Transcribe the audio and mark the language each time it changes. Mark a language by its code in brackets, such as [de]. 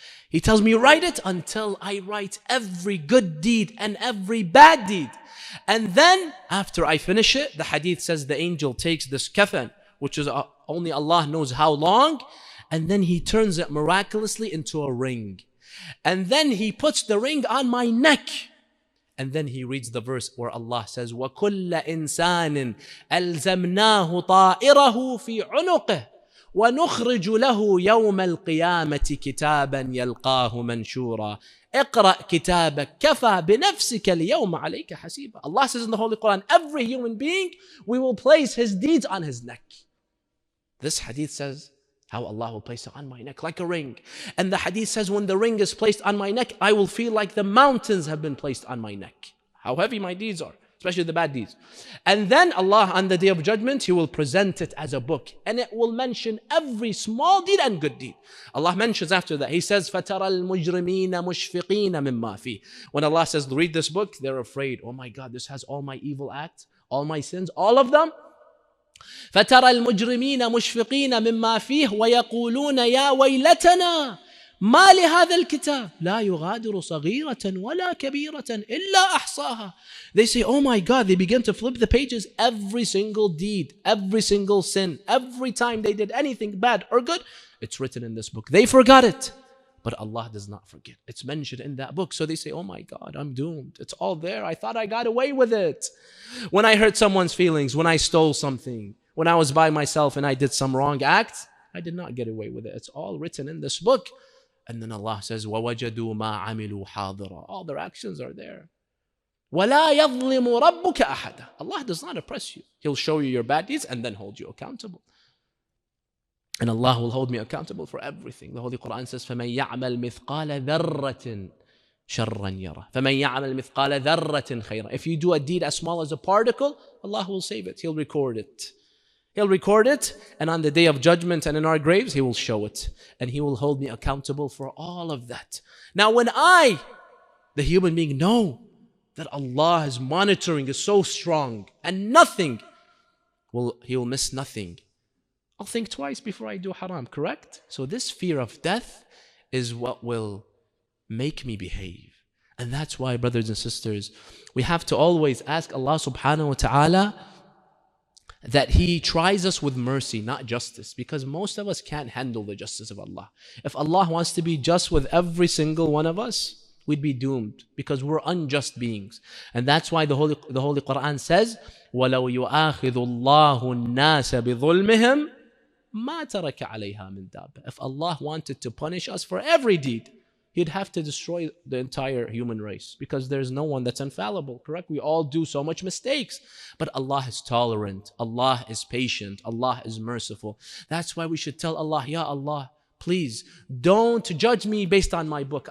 [en] He tells me, write it until I write every good deed and every bad deed. And then after I finish it, the hadith says the angel takes this kafan, which is only Allah knows how long, and then he turns it miraculously into a ring. And then he puts the ring on my neck. And then he reads the verse where Allah says, [ar] وَكُلَّ إِنسَانٍ أَلْزَمْنَاهُ طَائِرَهُ فِي عُنُقِهِ وَنُخْرِجُ لَهُ يَوْمَ الْقِيَامَةِ كِتَابًا يَلْقَاهُ مَنْشُورًا اِقْرَأْ كِتَابَكْ كَفَى بِنَفْسِكَ الْيَوْمَ عَلَيْكَ حَسِيبًا. [en] Allah says in the Holy Quran, every human being, we will place his deeds on his neck. This hadith says how Allah will place it on my neck like a ring. And the hadith says when the ring is placed on my neck, I will feel like the mountains have been placed on my neck. How heavy my deeds are, especially the bad deeds. And then Allah on the Day of Judgment, he will present it as a book. And it will mention every small deed and good deed. Allah mentions after that, he says, [ar] فَتَرَى الْمُجْرِمِينَ مُشْفِقِينَ مِمَّا فِيهِ. [en] When Allah says, read this book, they're afraid. Oh my God, this has all my evil acts, all my sins, all of them. [ar] فترى المجرمين مشفقين مما فيه ويقولون يا ويلتنا ما لهذا الكتاب لا يغادر صغيرة ولا كبيرة إلا أحصاها. [en] They say, oh my God, they begin to flip the pages. Every single deed, every single sin, every time they did anything bad or good, it's written in this book. They forgot it, but Allah does not forget. It's mentioned in that book. So they say, oh my God, I'm doomed. It's all there. I thought I got away with it. When I hurt someone's feelings, when I stole something, when I was by myself and I did some wrong act, I did not get away with it. It's all written in this book. And then Allah says, [ar] وَوَجَدُوا مَا عَمِلُوا حَاضِرًا. [en] All their actions are there. [ar] وَلَا يَظْلِمُ رَبُّكَ أَحَدًا. [en] Allah does not oppress you. He'll show you your bad deeds and then hold you accountable. And Allah will hold me accountable for everything. The Holy Quran says, [ar] فَمَنْ يَعْمَلْ مِثْقَالَ ذَرَّةٍ شَرًّا يَرَى فَمَنْ يَعْمَلْ مِثْقَالَ ذَرَّةٍ خَيْرًا. [en] If you do a deed as small as a particle, Allah will save it. He'll record it. He'll record it, and on the Day of Judgment and in our graves, he will show it. And he will hold me accountable for all of that. Now when I, the human being, know that Allah is monitoring, is so strong, and nothing, he will miss nothing, I'll think twice before I do haram, correct? So this fear of death is what will make me behave. And that's why, brothers and sisters, we have to always ask Allah subhanahu wa ta'ala that he tries us with mercy, not justice. Because most of us can't handle the justice of Allah. If Allah wants to be just with every single one of us, we'd be doomed because we're unjust beings. And that's why the Holy Quran says, [ar] وَلَوْ يُؤَاخِذُ اللَّهُ النَّاسَ بِظُلْمِهِمْ مَا تَرَكَ عَلَيْهَا مِنْ دَابَ. [en] If Allah wanted to punish us for every deed, he'd have to destroy the entire human race because there's no one that's infallible, correct? We all do so much mistakes. But Allah is tolerant. Allah is patient. Allah is merciful. That's why we should tell Allah, Ya Allah, please don't judge me based on my book.